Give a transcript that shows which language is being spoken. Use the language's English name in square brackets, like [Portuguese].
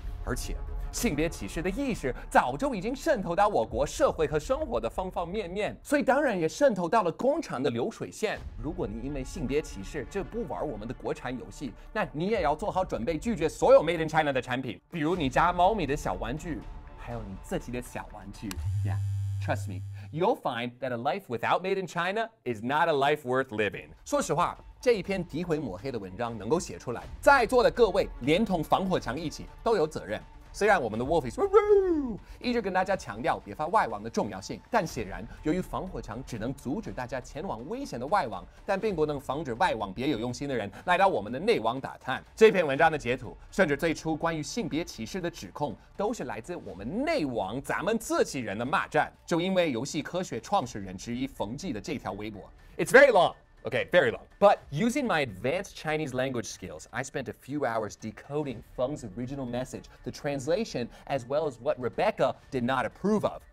[Chinese] 而且性别歧视的意识早就已经渗透到我国社会和生活的方方面面，所以当然也渗透到了工厂的流水线。如果你因为性别歧视就不玩我们的国产游戏，那你也要做好准备拒绝所有 Made in China 的产品，比如你家猫咪的小玩具，还有你自己的小玩具。 [English] Yeah, trust me, you'll find that a life without Made in China is not a life worth living. [Chinese] 说实话，这一篇诋毁抹黑的文章能够写出来，在座的各位连同防火墙一起都有责任。虽然我们的 Wolfies 一直跟大家强调别发外网的重要性，但显然由于防火墙只能阻止大家前往危险的外网，但并不能防止外网别有用心的人来到我们的内网打探。这篇文章的截图甚至最初关于性别歧视的指控都是来自我们内网咱们自己人的骂战，就因为游戏科学创始人之一冯骥的这条微博。 [English] It's very longOkay, very long. But using my advanced Chinese language skills, I spent a few hours decoding Feng's original message, the translation, as well as what Rebecca did not approve of.